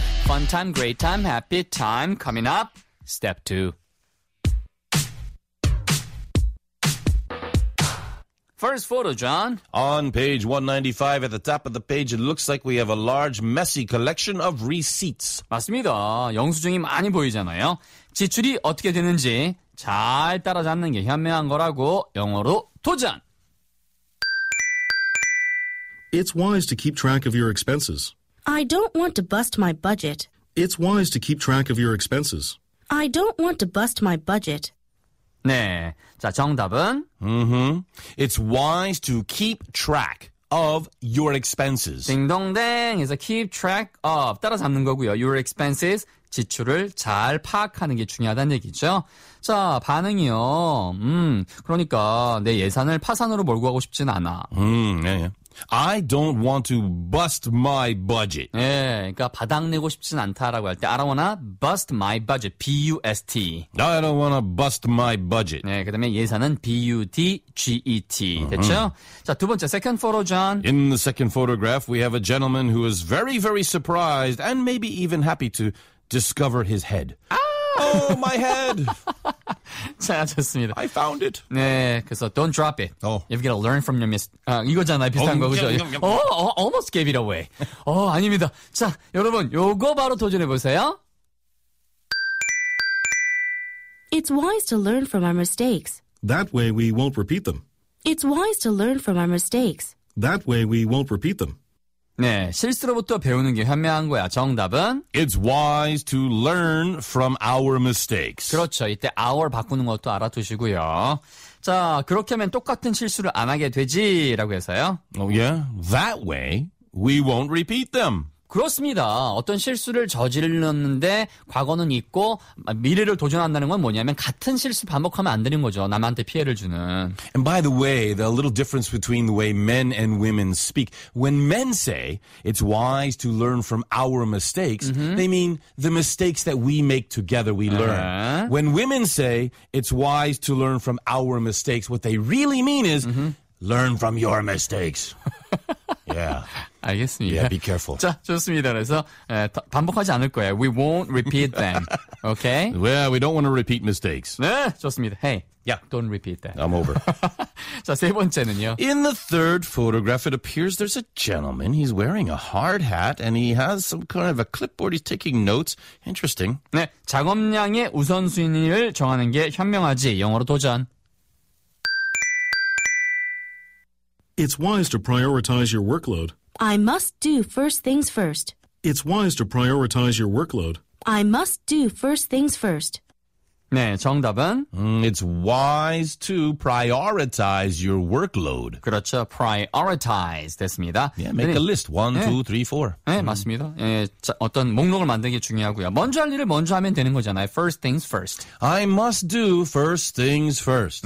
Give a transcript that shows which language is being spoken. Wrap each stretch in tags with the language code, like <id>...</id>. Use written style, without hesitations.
<en>Fun time, great time, happy time. Coming up, step two. First photo, John. On page 195 at the top of the page, it looks like we have a large, messy collection of receipts.</en> <ko>맞습니다. 영수증이 많이 보이잖아요. 지출이 어떻게 되는지 잘 따라잡는 게 현명한 거라고 영어로 도전!</ko> <en>It's wise to keep track of your expenses. I don't want to bust my budget. It's wise to keep track of your expenses. I don't want to bust my budget.</en> <ko>네, 자 정답은 Mm-hmm.</ko> <en>It's wise to keep track of your expenses.</en> <ko>딩동댕,</ko> <en>is a keep track of</en> <ko>따라잡는 거고요.</ko> <en>Your expenses,</en> <ko>지출을 잘 파악하는 게 중요하다는 얘기죠. 자, 반응이요. 그러니까 내 예산을 파산으로 몰고 가고 싶진 않아. 예.</ko> <en>I don't want to bust my budget.</en> <ko>예, 그러니까 바닥내고 싶진 않다라고 할 때</ko> <en>I don't wanna bust my budget. B-U-S-T. I don't wanna bust my budget.</en> <ko>네, 그 다음에 예산은 B-U-D-G-E-T. 됐죠? Uh-huh. 자, 두 번째,</ko> <en>second photo,</en> <ko>John.</ko> <en>In the second photograph, we have a gentleman who is very, very surprised and maybe even happy to discover his head. Ah! Oh, my head!</en> <ko>찾았습니다.</ko> <en>I found it.</en> <ko>네, 그래서</ko> <en>don't drop it. Oh. You've got to learn from your mis-</en> <ko>이거잖아요, 비슷한 거, 그죠?</ko> <en>Almost gave it away.</en> <ko>아닙니다. 자, 여러분, 요거 바로 도전해보세요.</ko> <en>It's wise to learn from our mistakes. That way we won't repeat them. It's wise to learn from our mistakes. That way we won't repeat them.</en> <ko>네, 실수로부터 배우는 게 현명한 거야. 정답은?</ko> <en>It's wise to learn from our mistakes.</en> <ko>그렇죠. 이때 our 바꾸는 것도 알아두시고요. 자, 그렇게 하면 똑같은 실수를 안 하게 되지라고 해서요.</ko> <en>Oh, yeah. That way, we won't repeat them.</en> <ko>그렇습니다. 어떤 실수를 저질렀는데 과거는 있고 미래를 도전한다는 건 뭐냐면 같은 실수 반복하면 안 되는 거죠. 남한테 피해를 주는.</ko> <en>And by the way, the little difference between the way men and women speak. When men say it's wise to learn from our mistakes, mm-hmm. they mean the mistakes that we make together we learn. Uh-huh. When women say it's wise to learn from our mistakes, what they really mean is mm-hmm. learn from your mistakes. Yeah.</en> <ko>알겠습니다.</ko> <en>Yeah, be careful.</en> <ko>자, 좋습니다. 그래서 반복하지 않을 거예요.</ko> <en>We won't repeat them. Okay? Well, we don't want to repeat mistakes.</en> <ko>네, 좋습니다.</ko> <en>Hey, yeah, don't repeat that. I'm over.</en> <ko>자, 세 번째는요.</ko> <en>In the third photograph, it appears there's a gentleman. He's wearing a hard hat and he has some kind of a clipboard. He's taking notes. Interesting.</en> <ko>네, 작업량의 우선순위를 정하는 게 현명하지. 영어로 도전.</ko> <en>It's wise to prioritize your workload. I must do first things first. It's wise to prioritize your workload. I must do first things first.</en> <ko>네, 정답은?</ko> <en>It's wise to prioritize your workload.</en> <ko>그렇죠, prioritize 됐습니다.</ko> <en>Yeah, make</en> <ko>네.</ko> <en>a list. 1, 2, 3, 4.</en> <ko>네, 맞습니다. 예, 자, 어떤 목록을 만드는 게 중요하고요. 먼저 할 일을 먼저 하면 되는 거잖아요.</ko> <en>First things first. I must do first things first.</en>